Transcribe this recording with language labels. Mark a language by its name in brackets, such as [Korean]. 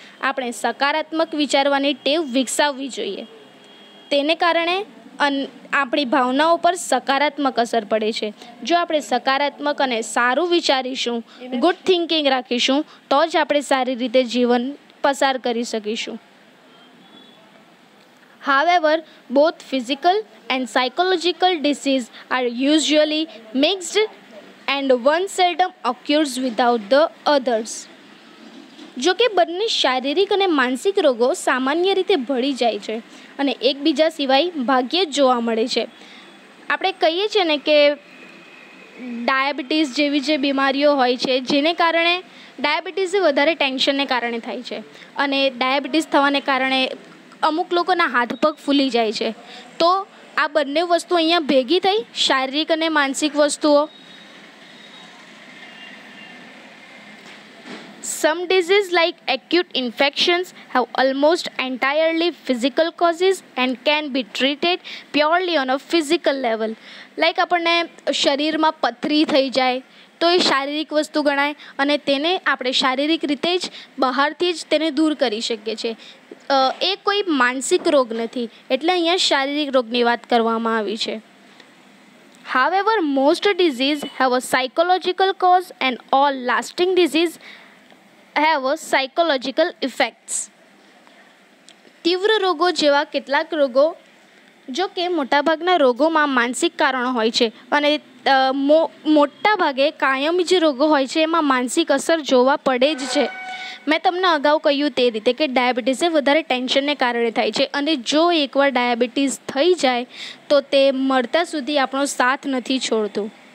[Gujarati] આપણે સકારાત્મક વિચારવાની ટેવ વિકસાવવી જોઈએ, તેને કારણે આપણી ભાવનાઓ પર સકારાત્મક અસર પડે છે। જો આપણે સકારાત્મક અને સારું વિચારીશું, [English] good thinking [Gujarati] રાખીશું, તો જ આપણે સારી રીતે જીવન પસાર કરી શકીશું। [English] However, both physical and psychological disease are usually mixed and one seldom occurs without the others. [Gujarati] જો કે બંને શારીરિક અને માનસિક રોગો સામાન્ય રીતે ભળી જાય છે અને એકબીજા સિવાય ભાગ્યે જ જોવા મળે છે. આપણે કહીએ છીએ ને કે ડાયાબિટીસ જેવી જે બીમારીઓ હોય છે જેને કારણે ડાયાબિટીસ વધારે ટેન્શનને કારણે થાય છે અને ડાયાબિટીસ થવાને કારણે અમુક લોકોના હાથ પગ ફૂલી જાય છે. તો આ બંને વસ્તુ અહીંયા ભેગી થઈ, શારીરિક અને માનસિક વસ્તુઓ. [English] Some diseases like acute infections have almost entirely physical causes and can be treated purely on a physical level. Like [Gujarati] આપણને શરીરમાં પથરી થઈ જાય તો એ શારીરિક વસ્તુ ગણાય અને તેને આપણે શારીરિક રીતે જ બહારથી જ તેને દૂર કરી શકીએ છીએ. એ કોઈ માનસિક રોગ નથી, એટલે અહીંયા શારીરિક રોગની વાત કરવામાં આવી છે. [English] However, most diseases have a psychological cause and all lasting diseases have a psychological effects. [Gujarati] તીવ્ર રોગો જેવા કેટલાક રોગો, જો કે મોટાભાગના રોગોમાં માનસિક કારણો હોય છે અને મોટાભાગે કાયમી જે રોગો હોય છે એમાં માનસિક અસર જોવા પડે જ છે. મેં તમને અગાઉ કહ્યું તે રીતે કે ડાયાબિટીસ એ વધારે ટેન્શનને કારણે થાય છે અને જો એકવાર ડાયાબિટીસ થઈ જાય તો તે મરતા સુધી આપણો સાથ નથી છોડતું.